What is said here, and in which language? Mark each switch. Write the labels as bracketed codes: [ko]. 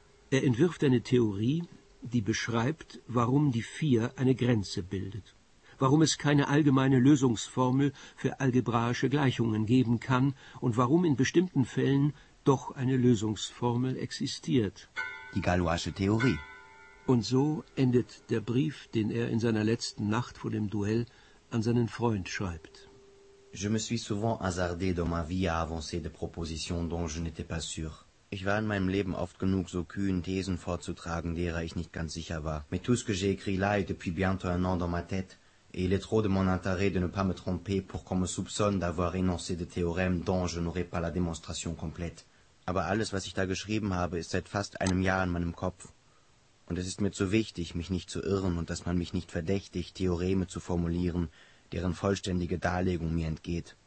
[de] Er entwirft eine Theorie, die beschreibt, warum die Vier eine Grenze bildet, warum es keine allgemeine Lösungsformel für algebraische Gleichungen geben kann und warum in bestimmten Fällen doch eine Lösungsformel existiert. Die galoische Theorie. Und so endet der Brief, den er in seiner letzten Nacht vor dem Duell an seinen Freund schreibt. [fr] Je me suis souvent hasardé dans ma vie à avancer des propositions dont je n'étais pas sûr. [de] Ich war in meinem Leben oft genug so kühn, Thesen vorzutragen, derer ich nicht ganz sicher war. [fr] Mais tout ce que j'ai écrit là est depuis bientôt un an dans ma tête, et il est trop de mon intérêt de ne pas me tromper pour qu'on me soupçonne d'avoir énoncé des théorèmes dont je n'aurais pas la démonstration complète. [de] Aber alles, was ich da geschrieben habe, ist seit fast einem Jahr in meinem Kopf. Und es ist mir zu wichtig, mich nicht zu irren und dass man mich nicht verdächtigt, Theoreme zu formulieren, deren vollständige Darlegung mir entgeht.